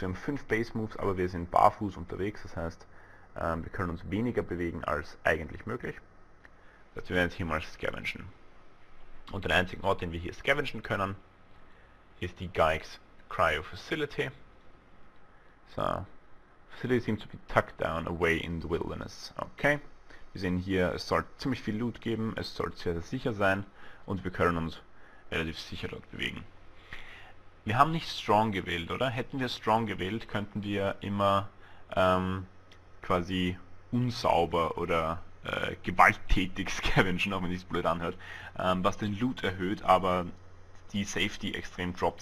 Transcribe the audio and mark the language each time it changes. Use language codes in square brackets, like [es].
[de] Wir haben 5 Base Moves, aber wir sind barfuß unterwegs. Das heißt, wir können uns weniger bewegen als eigentlich möglich. Dazu werden wir hier mal scavengen. Und der einzige Ort, den wir hier scavengen können, ist die Geig's Cryo Facility. So. [en] Facility seems to be tucked down away in the wilderness. Okay. [de] Wir sehen hier, es soll ziemlich viel Loot geben, es soll sehr, sehr sicher sein und wir können uns relativ sicher dort bewegen. Wir haben nicht Strong gewählt, oder? Hätten wir Strong gewählt, könnten wir immer quasi unsauber oder gewalttätig scavengen, auch wenn sich's blöd anhört, was den Loot erhöht, aber die Safety extrem droppt.